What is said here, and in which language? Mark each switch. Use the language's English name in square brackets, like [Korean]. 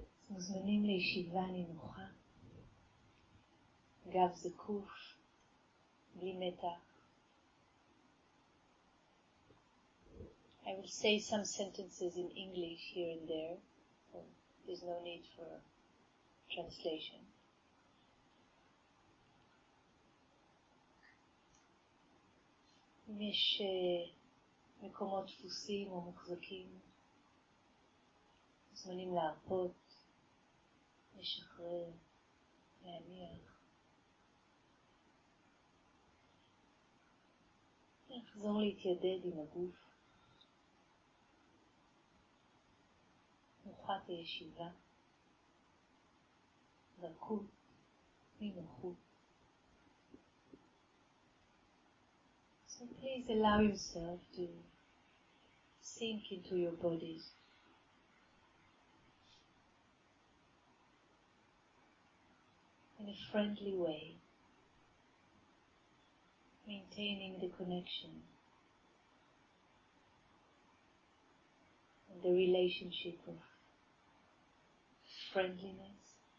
[Hebrew] מוזמנים לישיבה נינוחה, גב זקוף, בלי מתח. [English] I will say some sentences in English here and there, so there's no need for translation. [Hebrew] אם יש מקומות תפוסים או מוחזקים, מוזמנים להרפות, לשחרר, להניח, לחזור להתיידד עם הגוף, נוחת הישיבה, דקות, מנוחות. [English] So please allow yourself to sink into your bodies. In a friendly way, maintaining the connection and the relationship of friendliness.